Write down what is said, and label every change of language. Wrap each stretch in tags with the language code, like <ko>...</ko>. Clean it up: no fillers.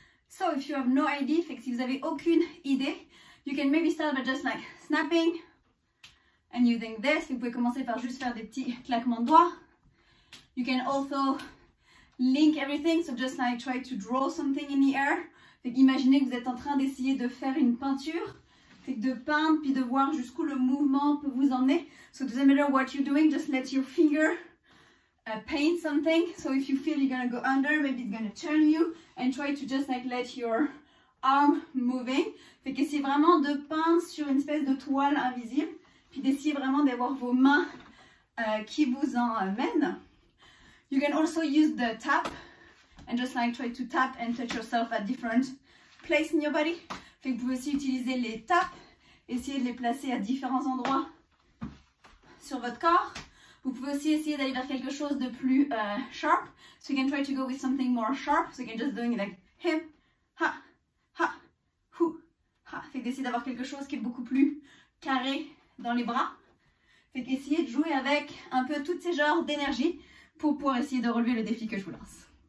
<en>So if you have no idea, fix,</en> <fr>si vous avez aucune idée,</fr> <en>you can maybe start by just like snapping and using this.</en> <fr>Vous pouvez commencer par juste faire des petits claquements de doigts.</fr> <en>You can also link everything. So just like try to draw something in the air.</en> <fr>Fait, imaginez que vous êtes en train d'essayer de faire une peinture. Fait, de peindre puis de voir jusqu'où le mouvement peut vous emmener.</fr> <en>So it doesn't matter what you're doing. Just let your finger paint something. So if you feel you're going to go under, maybe it's going to turn you. And try to just like let your arm moving.</en> <fr>Fait que essayez vraiment de peindre sur une espèce de toile invisible. Puis d'essayer vraiment d'avoir vos mains qui vous en mènent.</fr> <en>You can also use the tap. And just like try to tap and touch yourself at different places in your body.</en> <fr>Fait que vous pouvez aussi utiliser les taps. Essayer de les placer à différents endroits sur votre corps. Vous pouvez aussi essayer d'aller vers quelque chose de plus sharp.</fr> <en>So you can try to go with something more sharp. So you can just do it like hip, ha.</en> <fr>Fait que d'essayer d'avoir quelque chose qui est beaucoup plus carré dans les bras. Fait qu'essayer de jouer avec un peu tous ces genres d'énergie pour pouvoir essayer de relever le défi que je vous lance.</fr>